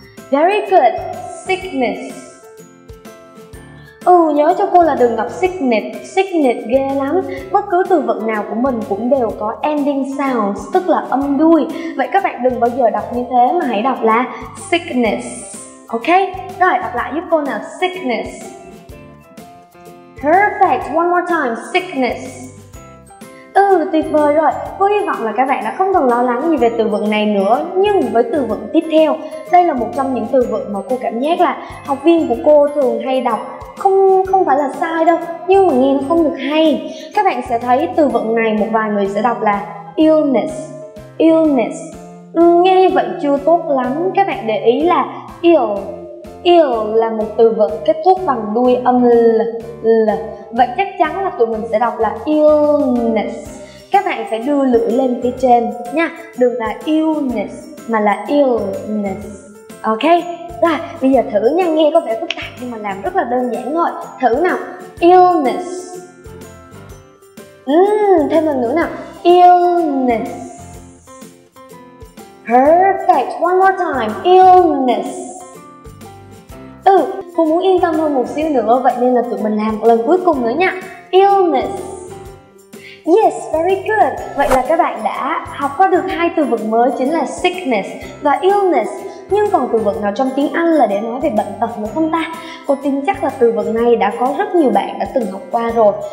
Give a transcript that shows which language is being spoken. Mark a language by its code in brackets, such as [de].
[en] Very good, sickness. [vi] Ừ, nhớ cho cô là đừng đọc sickness, sickness ghê lắm. Bất cứ từ vựng nào của mình cũng đều có ending sounds, tức là âm đuôi. Vậy các bạn đừng bao giờ đọc như thế mà hãy đọc là sickness. Ok, rồi đọc lại giúp cô nào, sickness. [en] Perfect, one more time, sickness. [vi] Ừ, tuyệt vời rồi. Cô hy vọng là các bạn đã không cần lo lắng gì về từ vựng này nữa. Nhưng với từ vựng tiếp theo, đây là một trong những từ vựng mà cô cảm giác là học viên của cô thường hay đọc. Không phải là sai đâu, nhưng mà nghe nó không được hay. Các bạn sẽ thấy từ vựng này một vài người sẽ đọc là illness. Illness. Nghe như vậy chưa tốt lắm. Các bạn để ý là ill. Ill là một từ vựng kết thúc bằng đuôi âm l, l. Vậy chắc chắn là tụi mình sẽ đọc là illness. Các bạn phải đưa lưỡi lên phía trên nha. Đừng là illness mà là illness. Ok. Rồi, bây giờ thử nha, nghe có vẻ phức tạp nhưng mà làm rất là đơn giản thôi. Thử nào, illness. Thêm lần nữa nào, illness. [en] Perfect, one more time, illness. [vi] Ừ, cô muốn yên tâm hơn một xíu nữa, vậy nên là tụi mình làm một lần cuối cùng nữa nha. Illness. [en] Yes, very good. [vi] Vậy là các bạn đã học qua được hai từ vựng mới, chính là sickness và illness. Nhưng còn từ vựng nào trong tiếng Anh là để nói về bệnh tật nữa không ta? Cô tin chắc là từ vựng này đã có rất nhiều bạn đã từng học qua rồi.